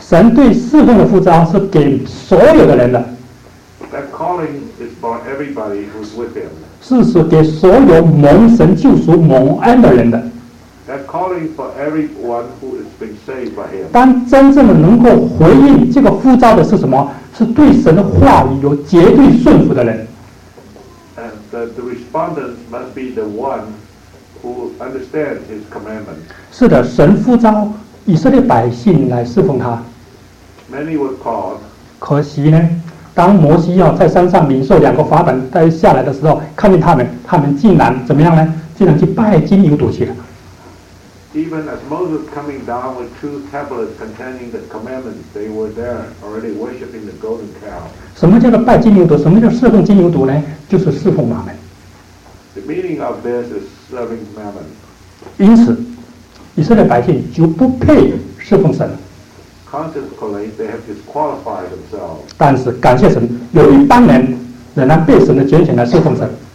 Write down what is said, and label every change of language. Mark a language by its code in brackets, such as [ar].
[zh] 神对侍奉的呼召是给所有的人的。 [en] That calling is for everybody who's with Him. [zh] 是给所有蒙神救赎蒙恩的人的。 [en] That calling for everyone who has been saved by Him. [zh] 当真正的能够回应这个呼召的是什么？是对神的话语有绝对顺服的人。 [en] And the respondent must be the one who understands His commandment. [zh] 是的，神呼召以色列百姓来侍奉他。 [en] Many were called. [zh] 可惜呢，当摩西要在山上领受两个法本带下来的时候，看见他们竟然怎么样呢？竟然去拜金牛犊去了。 [en] Even as Moses coming down with two tablets containing the commandments, they were there already worshiping the golden cow. [zh] 什么叫做拜金牛犊？什么叫侍奉金牛犊呢？就是侍奉马门。 [en] The meaning of this is serving mammon. [zh] 因此，以色列百姓就不配侍奉神。 [en] Consequently, they have disqualified themselves. [zh] 但是感谢神，有一帮人仍然被神的拣选来侍奉神。